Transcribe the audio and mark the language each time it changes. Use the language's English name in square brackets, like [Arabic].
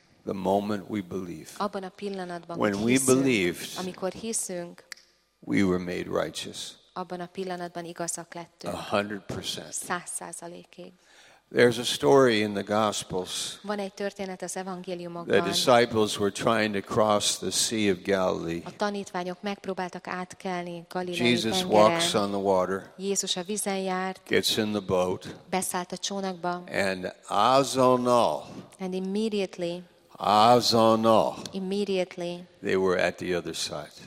[English] The moment we believe. [Hungarian] Abban a pillanatban, [English] when [Hungarian] hiszünk, [English] we believed, [Hungarian] amikor hiszünk, [English] we were made righteous. [Hungarian] Abban a pillanatban igazak lettünk. [English] 100%. [Hungarian] 100%-ig. [English] There's a story in the Gospels. [Hungarian] Van egy történet az evangéliumokban. [English] The disciples were trying to cross the Sea of Galilee. [Hungarian] A tanítványok megpróbáltak átkelni Galileai-tengeren. [English] Jesus walks on the water. [Hungarian] Jézus a vízen járt. [English] Gets in the boat. [Hungarian] Beszállt a csónakba. [English] And [Hungarian] azonnal. [English] And immediately. [Hungarian] Azonnal. [English] Immediately. They were at the other side.